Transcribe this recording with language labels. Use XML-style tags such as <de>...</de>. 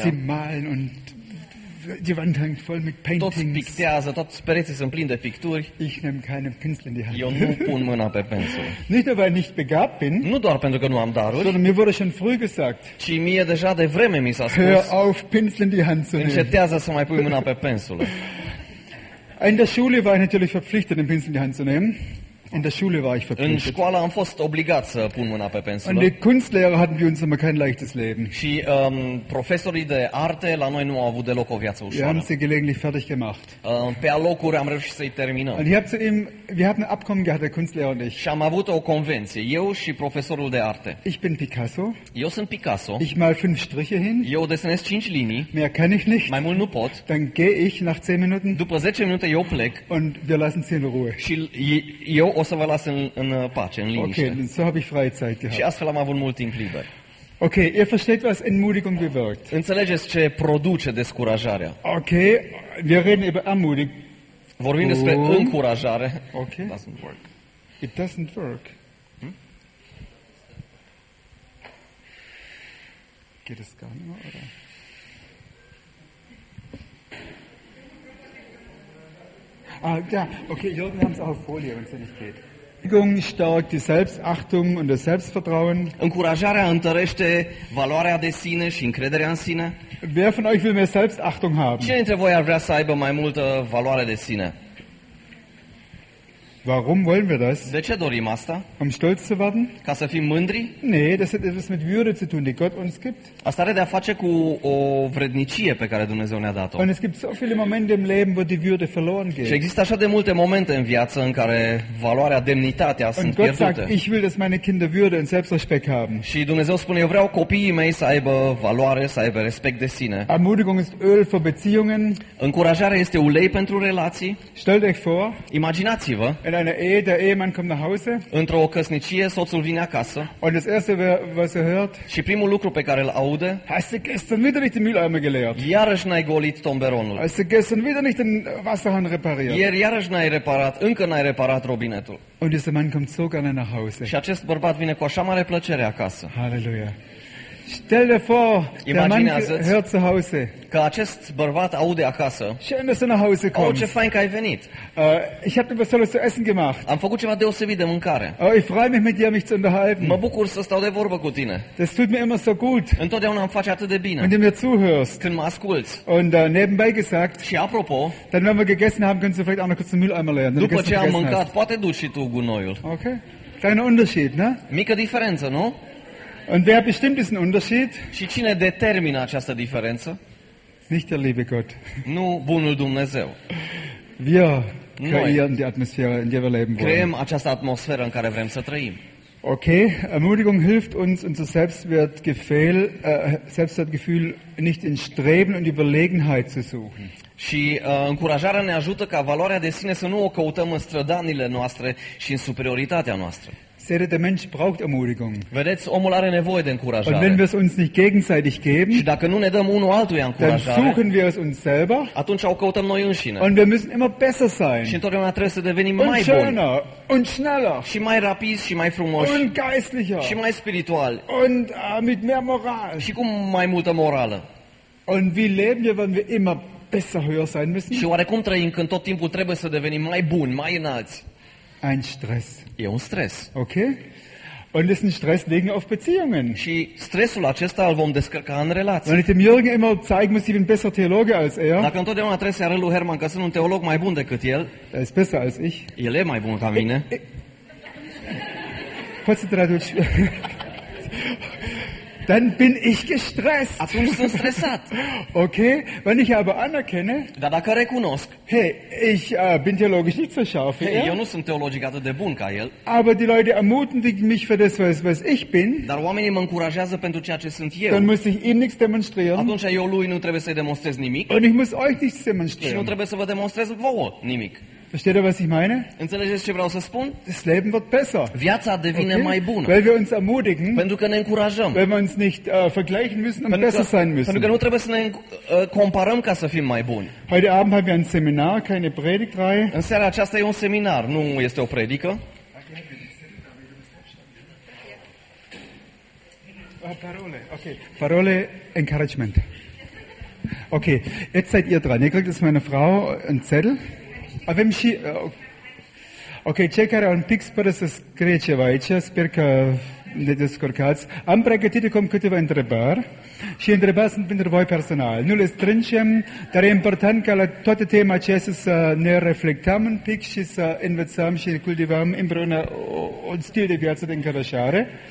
<de>Sie malen und die Wand hängt voll mit paintings.</de> <ro>Toți pictează, toți pereții sunt plini de picturi.</ro> <de>Ich nehme keinen Pinsel in die Hand.</de> <ro>Eu nu pun mâna pe pensul.</ro> <de>Nicht nur, weil ich nicht begabt bin.</de> <ro>Nu doar pentru că nu am daruri.</ro> <de>Sondern mir wurde schon früh gesagt.</de> <ro>Ci mie deja de vreme mi s-a spus.</ro> <de>Hör auf, Pinsel in die Hand zu nehmen.</de> <ro>Încetează să mai pui mâna pe pensul.</ro> <de>In der Schule war ich natürlich verpflichtet, den Pinsel in die Hand zu nehmen. In der Schule war ich verpflichtet.</de> <ro>În școală am fost obligat să pun mâna pe pensulă.</ro> <de>Und die Kunstlehrer hatten wir uns immer kein leichtes Leben.</de> <ro>Și profesorii de arte la noi nu au avut deloc o viață ușoară.</ro> <de>Wir haben sie gelegentlich fertig gemacht.</de> <ro>Pe alocuri am reușit să-i terminăm.</ro> <de>Und ich habe zu ihm, wir hatten ein Abkommen gehabt, der Kunstlehrer und ich.</de> <ro>Și am avut o convenție, eu și profesorul de arte.</ro> <de>Ich bin Picasso.</de> <ro>Eu sunt Picasso.</ro> <de>Ich mal fünf Striche hin.</de> <ro>Eu desenez cinci linii.</ro> <de>Mehr kann ich nicht.</de> <ro>Mai mult nu pot.</ro> <de>Dann gehe ich nach 10 Minuten.</de> <ro>După 10 minute eu plec.</ro> <de>Und wir lassen sie in Ruhe.</de> <ro>Și eu o să vă las în pace, în liniște.</ro> <de>Okay, so habe ich freie Zeit gehabt.</de> <ro>Și astfel am avut mult timp liber.</ro> <de>Okay, ihr versteht, was Entmutigung bewirkt.</de> <ro>Înțelegeți ce produce descurajarea.</ro> <de>Okay, wir reden über Ermutig.</de> <ro>Vorbim despre încurajare. Okay.</ro> <en>It doesn't work. It doesn't work.</en> <de>Geht es gar nicht mehr, oder? Ah, ja, okay, Jürgen, wir haben es auch auf Folie, wenn es nicht geht. Entmutigung stärkt die Selbstachtung und das Selbstvertrauen.</de> <ro>Încurajarea întărește valoarea de sine și încrederea în sine.</ro> <de>Wer von euch will mehr Selbstachtung haben?</de> <ro>Cine dintre voi ar vrea să aibă mai multă valoare de sine?</ro> <de>Warum wollen wir das?</de> <ro>De ce dorim asta?</ro> <de>Um stolz zu werden?</de> <ro>Ca să fim mândri?</ro> <de>Nee, das hat etwas mit Würde zu tun, die Gott uns gibt.</de> <ro>Asta are de-a face cu o vrednicie pe care Dumnezeu ne-a dat-o.</ro> <de>Und es gibt so viele Momente im Leben, wo die Würde verloren geht.</de> <ro>Și există așa de multe momente în viață în care valoarea, demnitatea</ro> <de>und</de> <ro>sunt</ro> <de>Gott</de> <ro>pierdute.</ro> <de>Sagt, ich will, dass meine Kinder Würde und Selbstrespekt haben.</de> <ro>Și Dumnezeu spune, eu vreau copiii mei să aibă valoare, să aibă respect de sine.</ro> <de>Ermutigung ist Öl für Beziehungen.</de> <ro>Încurajarea este ulei pentru relații.</ro> <de>Stellt euch vor.</de> <ro>Imaginați-vă.</ro> <de>In einer Ehe, der Ehemann kommt nach Hause.</de> <ro>Într-o căsnicie, soțul vine acasă.</ro> <de>Und das erste, was er hört.</de> <ro>Și primul lucru pe care îl aude.</ro> <de>Hast du gestern wieder nicht den Mülleimer geleert?</de> <ro>Iarăși n-ai golit tomberonul.</ro> <de>Hast du gestern wieder nicht den Wasserhahn repariert?</de> <ro>Iarăși n-ai reparat, încă n-ai reparat robinetul.</ro> <de>Und dieser Mann kommt so gerne nach Hause.</de> <ro>Și acest bărbat vine cu așa mare plăcere acasă.</ro> <de>Halleluja. Stell dir vor,</de> <ro>imaginează-ți</ro> <de>der Mann zu Hause.</de> <ro>Că acest bărbat aude acasă.</ro> <de>Schön, dass du nach Hause kommst.</de> <ro>Oh, ce fain că ai venit.</ro> <de>Ich habe etwas Tolles zu essen gemacht.</de> <ro>Am făcut ceva deosebit de mâncare.</ro> <de>Oh, ich freue mich mit dir, mich zu unterhalten.</de> <ro>Mă bucur să stau de vorbă cu tine.</ro> <de>Das tut mir immer so gut.</de> <ro>Întotdeauna îmi face atât de bine.</ro> <de>Wenn du mir zuhörst.</de> <ro>Când mă asculți.</ro> <de>Und nebenbei gesagt.</de> <ro>Și apropo.</ro> <de>Dann wenn wir gegessen haben, können Sie vielleicht auch noch kurz den Mülleimer leeren.</de> <ro>După ce am mâncat, poate duci și tu gunoiul.</ro> <de>Okay. Kleiner Unterschied, ne?</de> <ro>Mică diferență, nu?</ro> <de>Und wer bestimmt diesen Unterschied?</de> <ro>Și cine determină această diferență?</ro> <de>Nicht der liebe Gott.</de> <ro>Nu bunul Dumnezeu.</ro> <de>Wir kreieren die Atmosphäre, in der wir leben wollen.</de> <ro>Creăm această atmosferă în care vrem să trăim.</ro> <de>Okay, Ermutigung hilft uns, unser Selbstwertgefühl, Selbstwertgefühl nicht in Streben und Überlegenheit zu suchen.</de> <ro>Și încurajarea ne ajută ca valoarea de sine să nu o căutăm în strădanile noastre și în superioritatea noastră.</ro> <de>Seht ihr, der Mensch braucht Ermutigung.</de> <ro>Vedeți, omul are nevoie de încurajare.</ro> <de>Und wenn wir es uns nicht gegenseitig geben,</de> <ro>și dacă nu ne dăm unul altuia încurajare,</ro> <de>dann suchen wir es uns selber.</de> <ro>Atunci o căutăm noi înșine.</ro> <de>Und wir müssen immer besser sein.</de> <ro>Și întotdeauna trebuie să devenim</ro> <de>und</de> <ro>mai</ro> <de>schöner,</de> <ro>buni.</ro> <de>Und schneller.</de> <ro>Și mai rapizi și mai frumoși.</ro> <de>Und geistlicher.</de> <ro>Și mai spirituali.</ro> <de>Und mit mehr moral.</de> <ro>Și cu mai multă morală.</ro> <de>Und wie leben wir, wenn wir immer besser, höher sein müssen?</de> <ro>Și oarecum trăim când tot timpul trebuie să devenim mai buni, mai înalți?</ro> <de>Ein Stress.</de> <ro>E un stres. Okay?</ro> <de>Und diesen Stress legen auf Beziehungen.</de> <ro>Și stresul acesta îl vom descărca în relații.</ro> <de>Wenn ich dem Jürgen immer zeigen muss, ich bin besser Theologe als er.</de> <ro>Dacă întotdeauna trebuie să arăt lui Herman că sunt un teolog mai bun decât el.</ro> <de>Er ist besser als ich.</de> <ro>El e mai bun ca mine.</ro> <de>Konzentrat. Dann bin ich gestresst.</de> <ro>Atunci sunt stresat.</ro> <de>Okay, wenn ich aber anerkenne.</de> <ro>Dar dacă recunosc.</ro> <de>Hey, ich bin theologisch nicht so scharf.</de> <ro>Hey, eu nu sunt teologic atât de bun ca el.</ro> <de>Aber die Leute ermutigen mich für das, was ich bin.</de> <ro>Dar oamenii mă încurajează pentru ceea ce sunt eu.</ro> <de>Dann muss ich ihm nichts demonstrieren.</de> <ro>Atunci eu lui nu trebuie să-i demonstrez nimic.</ro> <de>Und ich muss euch nichts demonstrieren.</de> <ro>Și nu trebuie să vă demonstrez vouă nimic.</ro> <de>Versteht ihr, was ich meine?</de> <ro>Înțelegeți ce vreau să spun?</ro> <de>Das Leben wird besser.</de> <ro>Viața devine mai bună.</ro> <de>Weil wir uns ermutigen.</de> <ro>Pentru că ne încurajăm.</ro> <de>Weil wir uns nicht vergleichen müssen und besser sein müssen.</de> <ro>Pentru că nu trebuie să ne comparăm ca să fim mai buni.</ro> <de>Heute Abend haben wir ein Seminar, keine Predigtreihe.</de> <ro>În seara aceasta e un seminar, nu este o predică. Parole, okay. Parole, encouragement.</ro> <de>Okay, jetzt seid ihr dran. Ihr kriegt jetzt meine Frau einen Zettel.</de> <ro>Avem și okay, cei care au un pic spără să scrieceva aici, sper că ne descurcați. Am pregătit acum câteva întrebări și întrebări sunt pentru voi personal. Nu le strângem, dar e important ca la toate tema aceste să ne reflectăm un pic și să învățăm și cultivăm împreună un stil de viață de încărășare.</ro>